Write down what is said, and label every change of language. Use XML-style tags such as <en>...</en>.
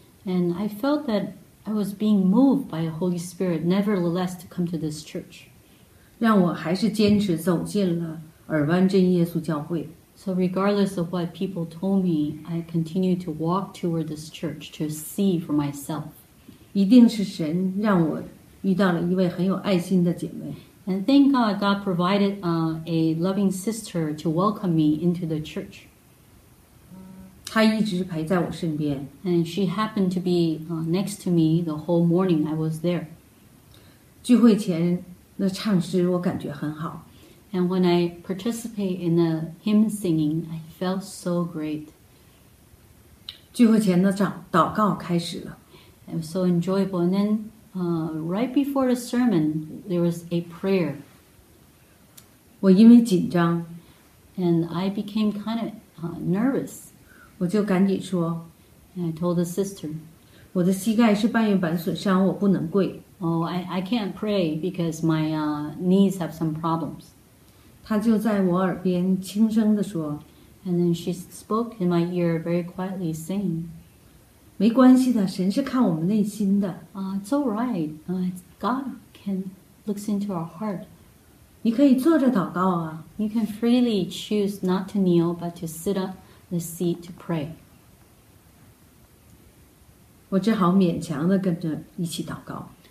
<en>And I felt that I was being moved by the Holy Spirit, nevertheless, to come to this church.</en> <zh>让我还是坚持走进了尔湾真耶稣教会。</zh> <en>So regardless of what people told me, I continued to walk toward this church to see for myself.</en> <zh>一定是神让我遇到了一位很有爱心的姐妹。</zh> <en>And thank God, God provided a loving sister to welcome me into the church.</en> <zh>她一直陪在我身边。</zh> <en>And she happened to be next to me the whole morning I was there.</en> <zh>聚会前的唱诗我感觉很好。</zh> <en>And when I participate in the hymn singing, I felt so great.</en> <zh>聚会前的祷告开始了。</zh> <en>It was so enjoyable. And then... right before the sermon, there was a prayer.</en> <zh>我因为紧张</zh> <en>And I became kind of nervous.</en> <zh>我就赶紧说</zh> <en>And I told the sister,</en> <zh>我的膝盖是半月板损伤，我不能跪。</zh> <en>Oh, I can't pray because my knees have some problems.</en> <zh>她就在我耳边轻声地说</zh> <en>And then she spoke in my ear very quietly saying,</en> <zh>没关系的，神是看我们内心的。</zh> <en>It's all right. God can looks into our heart.</en> <zh>你可以坐着祷告啊。</zh> <en>You can freely choose not to kneel, but to sit up the seat to pray.</en> <zh>我只好勉强地跟着一起祷告。</zh>